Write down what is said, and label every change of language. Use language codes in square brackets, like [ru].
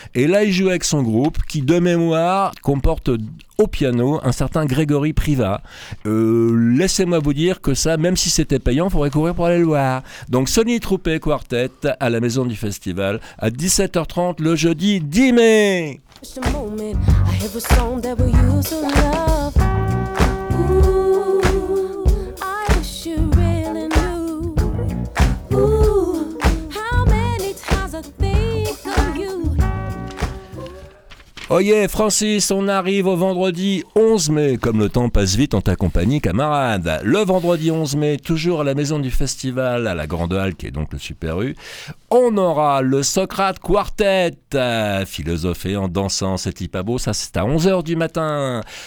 [fr] Et là il joue avec son groupe qui de mémoire comporte au piano un certain Grégory Privat. Laissez-moi vous dire que ça, même si c'était payant, il faudrait courir pour aller le voir. Donc Sonny Troupé Quartet à la maison du festival à 17h30 le jeudi. [es] Dime. [en] Just a moment, I have a song that we used to love. Ooh, I wish you really knew. Ooh, how many times I think of you. [fr] Oh yeah, Francis, on arrive au vendredi 11 mai, comme le temps passe vite en ta compagnie, camarade. Le vendredi 11 mai, toujours à la maison du festival, à la Grande Halle, qui est donc le Super U, on aura le Socrate Quartet, philosopher en dansant, c'est hyper beau, ça c'est à 11h du matin.